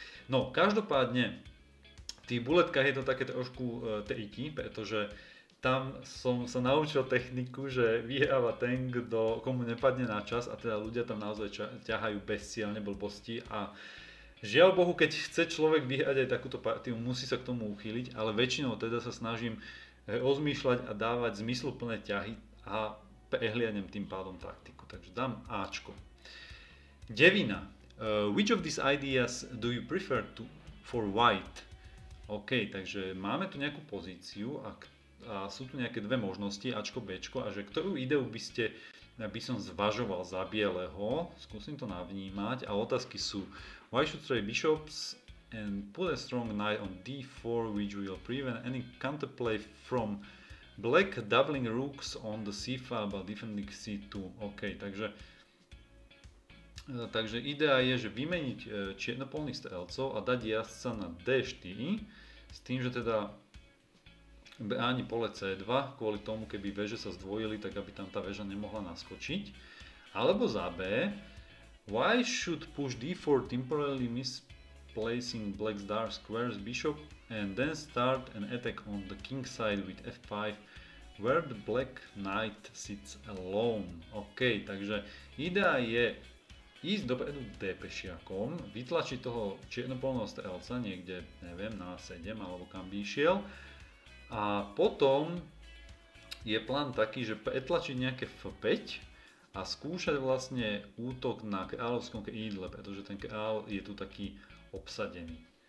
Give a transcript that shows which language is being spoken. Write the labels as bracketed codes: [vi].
[sk] No, každopádne, v tých buletkách je to také trošku triky, pretože tam som sa naučil techniku, že vyhráva ten, komu nepadne na čas a teda ľudia tam naozaj ťahajú bezcielne blbosti a žiaľ Bohu, keď chce človek vyhrať aj takúto partiu, musí sa k tomu uchýliť, ale väčšinou teda sa snažím rozmýšľať a dávať zmysluplné ťahy a prehliadnem tým pádom taktiku. Takže dám Ačko. 9. [en] Which of these ideas do you prefer to for white? [sk] OK, takže máme tu nejakú pozíciu a sú tu nejaké dve možnosti, Ačko, Bčko, a že ktorú ideu by som zvažoval za bieleho. Skúsim to navnímať. A otázky sú, [en] why should trade bishops and put a strong knight on d4, which will prevent any counterplay from black doubling rooks on the c-file but defending c2. [sk] OK, takže idea je, že vymeniť čiernopolných strelcov a dať jazdca na d4 s tým, že teda bráni pole c2 kvôli tomu, keby veže sa zdvojili, tak aby tam tá veža nemohla naskočiť. Alebo za B, [en] why should push d4 temporarily misplacing black's dark squares bishop and then start an attack on the king side with f5 where the black knight sits alone. [sk] OK, takže idea je ísť dopredu d5-šiakom, vytlačiť toho čiernopolného strelca niekde, neviem, na 7 alebo kam by išiel. A potom je plán taký, že pretlačiť nejaké f5 a skúšať vlastne útok na kráľovskom krídle, pretože ten kráľ je tu taký obsadený.